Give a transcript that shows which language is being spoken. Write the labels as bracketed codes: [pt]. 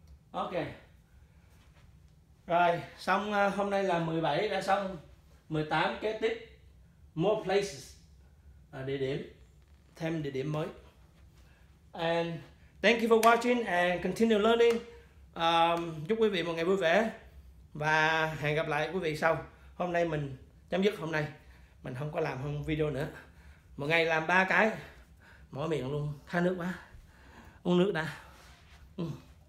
[vi] Ok. Rồi, xong hôm nay là 17, đã xong 18, kế tiếp [en] more places, [vi] địa điểm, thêm địa điểm mới. [en] And thank you for watching and continue learning. [vi] Chúc quý vị một ngày vui vẻ và hẹn gặp lại quý vị sau. Hôm nay mình chấm dứt hôm nay. Mình không có làm hơn video nữa. Một ngày làm 3 cái. Mỏi miệng luôn, khát nước quá. Uống nước đã.